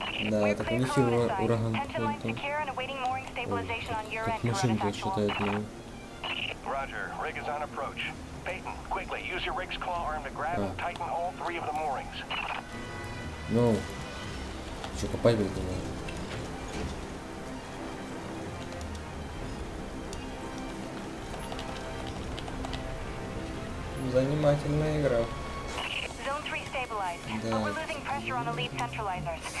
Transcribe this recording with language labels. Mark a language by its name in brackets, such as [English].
[Russian] Да, так у них и ураган. Так машинка считает его. [English] Roger, rig is on approach. Peyton, quickly, use your rig's claw arm to grab and tighten all three of the moorings. [Russian] Ну, еще копать будет, думаю. Занимательная игра. [English] Zone 3 stabilized. Да. But we're losing pressure on the lead centralizers.